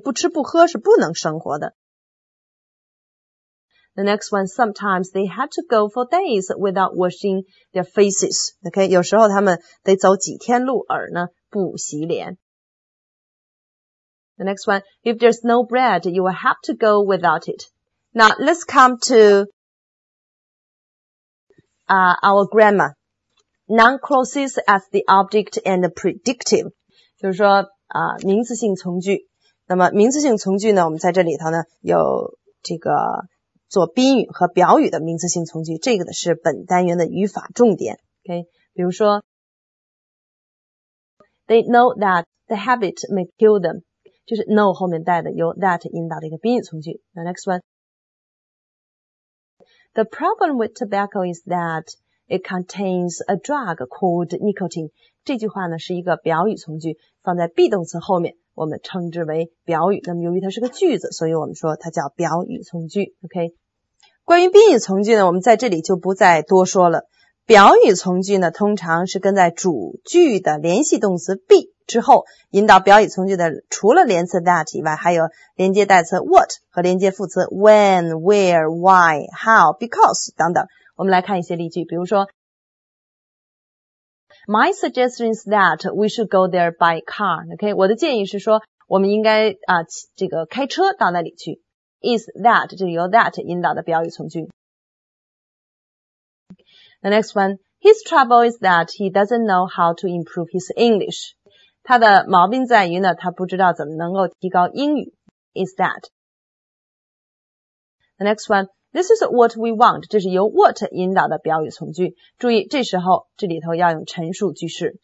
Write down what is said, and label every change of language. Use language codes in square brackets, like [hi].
[zh] 不吃不喝是不能生活的。 [en] The next one, sometimes they had to go for days without washing their faces. [zh] Okay, 有时候他们得走几天路而呢不洗脸。 [en] The next one, if there's no bread, you will have to go without it. Now, let's come to, our grammar. Noun clauses as the object and the predictive. [zh] 就是说，名词性从句。那么名词性从句呢，我们在这里头呢有这个做宾语和表语的名词性从句，这个是本单元的语法重点。 [en] OK， [zh] 比如说 [en] ，They know that the habit may kill them， [zh] 就是 know 后面带的由 that 引导的一个宾语从句。 [en] The next one，The problem with tobacco is that it contains a drug called nicotine。 [zh] 这句话呢是一个表语从句，放在 be 动词后面。我们称之为表语，那么由于它是个句子，所以我们说它叫表语从句。 OK，关于宾语从句呢，我们在这里就不再多说了。表语从句呢，通常是跟在主句的联系动词 be 之后，引导表语从句的除了连词 that 以外，还有连接代词 what 和连接副词 when、where、why、how、because 等等。 [en] 我们来看一些例句， [zh] 比如说 [en] ，My suggestion is that we should go there by car. [zh] OK， 我的建议是说，我们应该这个开车到那里去。 Is that 就由 that 引导的表语从句。 [en] The next one, his trouble is that he doesn't know how to improve his English. [zh] 他的毛病在于呢，他不知道怎么能够提高英语。 [en] Is that? The next one. This is what we want. [zh] 这是由 what 引导的表语从句。注意，这时候这里头要用陈述句式。